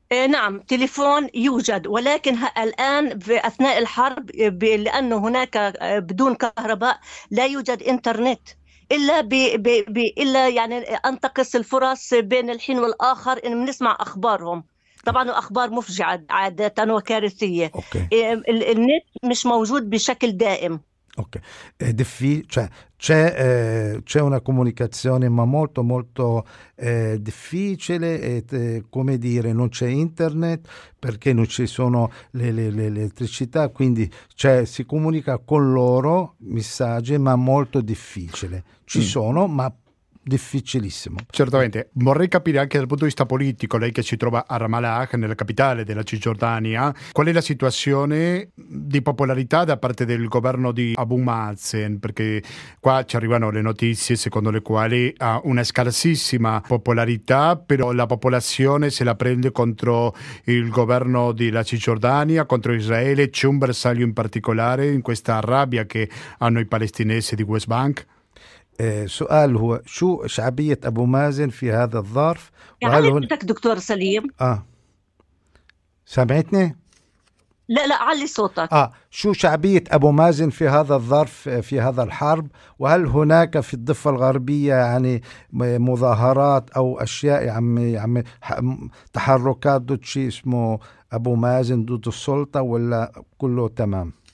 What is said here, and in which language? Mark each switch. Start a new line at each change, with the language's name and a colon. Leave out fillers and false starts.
Arabic: نعم تليفون يوجد ولكن الآن في أثناء الحرب لأنه هناك بدون كهرباء لا يوجد إنترنت إلا إلا يعني أنتقص الفرص بين الحين والآخر إن بنسمع أخبارهم طبعا أخبار مفجعة عادة وكارثية النت مش موجود بشكل دائم.
Italian: Ok, è difficile, cioè c'è una comunicazione ma molto molto difficile, come dire, non c'è internet perché non ci sono le elettricità, quindi cioè, si comunica con loro messaggi ma molto difficile, ci sono ma difficilissimo. Certamente, vorrei capire anche dal punto di vista politico, lei che si trova a Ramallah, nella capitale della Cisgiordania, qual è la situazione di popolarità da parte del governo di Abu Mazen, perché qua ci arrivano le notizie secondo le quali ha una scarsissima popolarità, però la popolazione se la prende contro il governo della Cisgiordania, contro Israele, c'è un bersaglio in particolare in questa rabbia che hanno i palestinesi di West Bank?
Arabic: سؤال هو شو شعبية أبو مازن في هذا الظرف؟ يعني بدك دكتور سليم. سمعتني؟ لا لا علي صوتك. شو شعبية أبو مازن في هذا الظرف في هذا الحرب؟ وهل هناك في الضفة الغربية يعني مظاهرات أو أشياء عم تحركات ضد شيء اسمه أبو مازن ضد السلطة ولا كله تمام؟